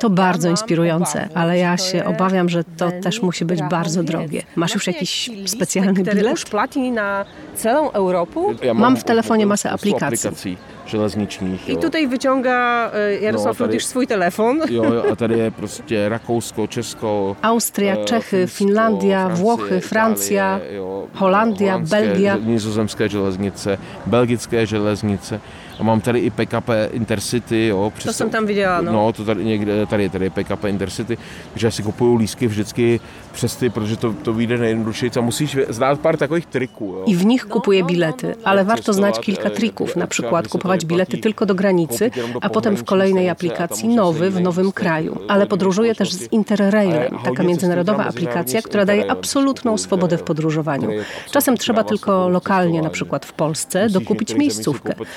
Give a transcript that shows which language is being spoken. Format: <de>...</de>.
<pl>To bardzo inspirujące, ale ja się obawiam, że to też musi być bardzo drogie. Masz już jakiś specjalny bilet? Już płaci na całą Europę. Ja mam w telefonie masę aplikacji</pl> <cs>železničních.</cs> <pl>I tutaj wyciąga Jarosław Rudisz swój telefon.</pl> <cs>Jo, a tady je prostě Rakousko, Česko, Austria, Čechy, Finsko, Finlandia, Francie, Włochy, Francia, Itálie, jo, Holandia, Belgia. Nizozemské železnice, belgické železnice. A mám tady i PKP Intercity, jo. To jsem tam viděla, no. No, to tady někde, tady je PKP Intercity, že já si kupuju lísky vždycky přes ty, protože to vyjde nejjednodušeji. A musíš znát pár takových triků, jo.</cs> <pl>I v nich kupuje bilety, ale warto znať kilka trików, na przykład kupować bilety tylko do granicy, a potem w kolejnej aplikacji nowy w nowym kraju. Ale podróżuję też z Interrailem, taka międzynarodowa aplikacja, która daje absolutną swobodę w podróżowaniu. Czasem trzeba tylko lokalnie, na przykład w Polsce, dokupić miejscówkę.</pl>